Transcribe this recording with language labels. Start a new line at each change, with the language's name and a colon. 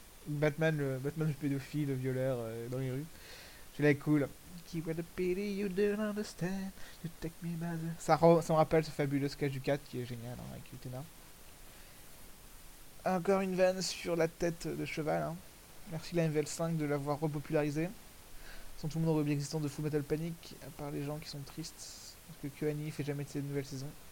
French: Batman, le pédophile, le violeur dans les rues. Celui-là est cool.
English: Keep it a pity you don't understand. You take me by the...
French: Ça me rappelle ce fabuleux sketch du 4 qui est génial hein, avec Utena. Encore une vanne sur la tête de cheval. Hein. Merci la MVL5 de l'avoir repopularisé. Sans tout le monde aurait oublié l'existence de Fullmetal Panic, à part les gens qui sont tristes. Parce que QAnon fait jamais de ses nouvelles saisons.